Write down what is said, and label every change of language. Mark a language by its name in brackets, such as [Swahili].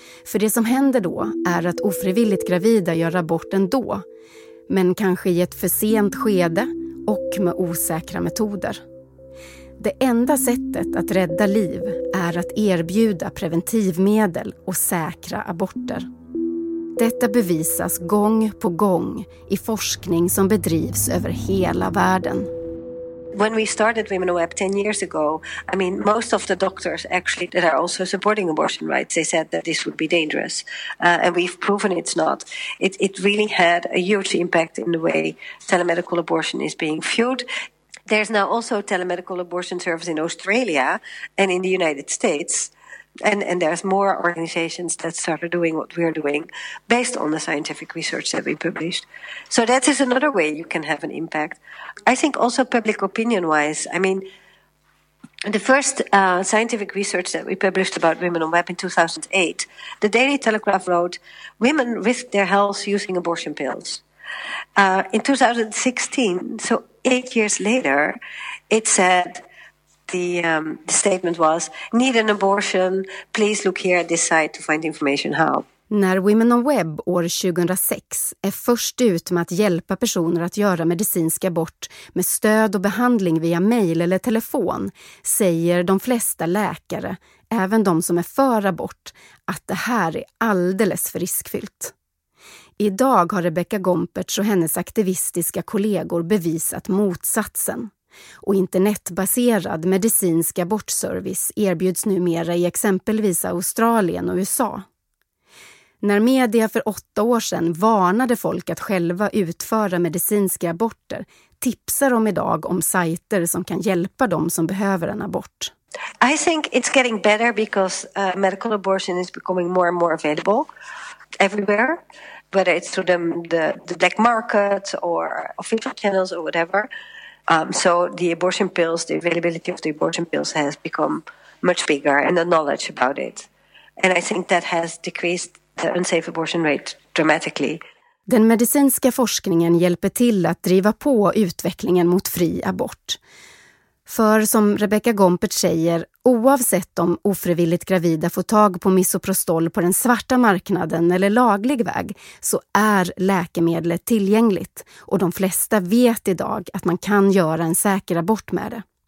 [Swedish] För det som händer då är att ofrivilligt gravida gör abort ändå, men kanske i ett för sent skede och med osäkra metoder. Det enda sättet att rädda liv är att erbjuda preventivmedel och säkra aborter. Detta bevisas gång på gång i forskning som bedrivs över hela världen. [English] When we started Women on Web 10 years ago, I mean, most of the doctors actually that are also supporting abortion rights, they said that this would be dangerous. And we've proven it's not. It really had a huge impact in the way telemedical abortion is being viewed. There's now also a telemedical abortion service in Australia and in the United States. And there's more organizations that started doing what we're doing based on the scientific research that we published. So that is another way you can have an impact. I think also public opinion-wise, I mean, the first scientific research that we published about women on web in 2008, the Daily Telegraph wrote, women risk their health using abortion pills. In 2016, so 8 years later, it said, the statement was, need an abortion, please look here at this site to find information how. [Swedish] När Women on Web år 2006 är först ut med att hjälpa personer att göra medicinsk abort med stöd och behandling via mejl eller telefon, säger de flesta läkare, även de som är för abort, att det här är alldeles för riskfyllt. Idag har Rebecca Gompertz och hennes aktivistiska kollegor bevisat motsatsen. Och internetbaserad medicinsk abortservice erbjuds numera i exempelvis Australien och USA. När media för 8 år sedan varnade folk att själva utföra medicinska aborter, tipsar de idag om sajter som kan hjälpa dem som behöver en abort. [English] I think it's getting better because medical abortion is becoming more and more available everywhere, whether it's through the black market or official channels or whatever. So the abortion pills, the availability of the abortion pills has become much bigger and the knowledge about it. And I think that has decreased the unsafe abortion rate dramatically. [Swedish] Den medicinska forskningen hjälper till att driva på utvecklingen mot fri abort. För som Rebecca Gompertz säger, oavsett om ofrivilligt gravida får tag på misoprostol på den svarta marknaden eller laglig väg, så är läkemedlet tillgängligt och de flesta vet idag att man kan göra en säker abort med det.